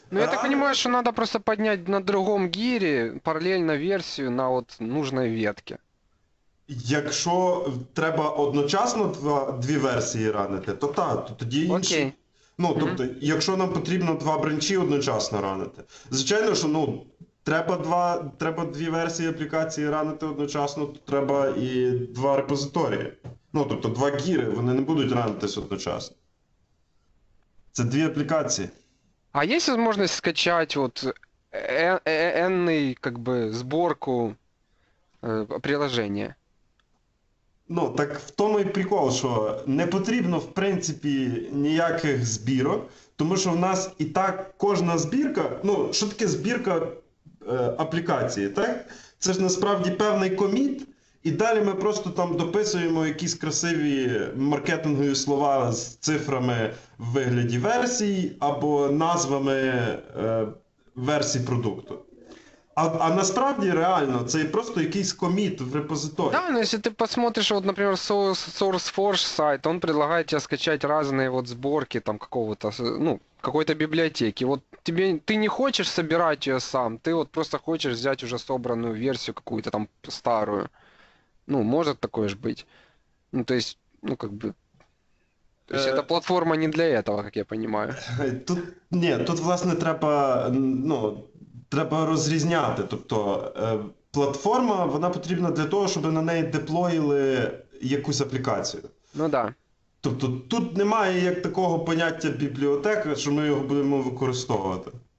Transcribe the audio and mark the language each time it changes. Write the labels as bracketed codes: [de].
[ru] я так понимаю, что надо просто поднять на другом гире параллельно версию на вот нужной ветке. [uk] Якщо треба одночасно дві версії ранити, то так, то тоді інші. Окей. Ну, тобто, якщо нам потрібно два бренчі одночасно ранити. Звичайно, що ну, треба дві версії аплікації ранити одночасно, то треба і два репозиторії. Ну, тобто, два гіри, вони не будуть ранитись одночасно. Це дві аплікації. А є можливість скачати от енний [ru] как бы сборку [uk] приложення? Ну, так в тому і прикол, що не потрібно, в принципі, ніяких збірок, тому що в нас і так кожна збірка, ну, що таке збірка аплікації, так? Це ж насправді певний коміт, і далі ми просто там дописуємо якісь красиві маркетингові слова з цифрами в вигляді версій або назвами версій продукту. А насправді реально це просто якийсь коміт в [ru] Да, [uk] репозиторії. [ru] но если ты посмотришь, вот, например, SourceForge сайт, он предлагает тебе скачать разные вот сборки там какого-то, ну, какой-то библиотеки. Вот тебе, ты не хочешь собирать ее сам, ты вот просто хочешь взять уже собранную версию какую-то там старую. Ну, может такое же быть. Ну, то есть, ну, как бы, то есть эта платформа не для этого, как я понимаю. [uk] Тут ні, тут власне треба, ну, треба розрізняти. Тобто, платформа вона потрібна для того, щоб на неї деплоїли якусь аплікацію. Ну да. Тобто, тут немає як такого поняття бібліотека, що ми його будемо використовувати.